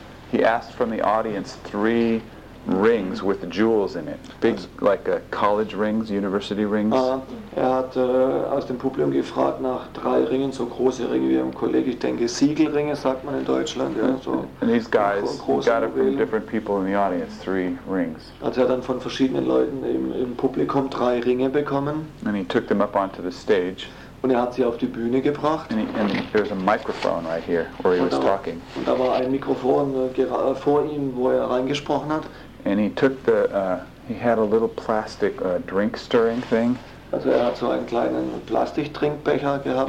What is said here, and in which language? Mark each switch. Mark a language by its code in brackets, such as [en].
[en] He asked from the audience three rings with jewels in it. Big, like a college rings, university rings. [de] Er hat aus dem Publikum gefragt nach drei Ringen, so große Ringe wie im Kolleg. Ich denke, Siegelringe sagt man in Deutschland. Ja, so. [en] And these guys got it from different people in the audience, three rings. [de] Also er hat dann von verschiedenen Leuten im Publikum drei Ringe bekommen. [en] And he took them up onto the stage. [de] Und er hat sie auf die Bühne gebracht. [en] And there was a microphone right here where he was talking. [de] Und da war ein Mikrofon vor ihm, wo er reingesprochen hat. [en] And he took the he had a little plastic drink stirring thing. [de] Also er hat so einen kleinen Plastiktrinkbecher gehabt.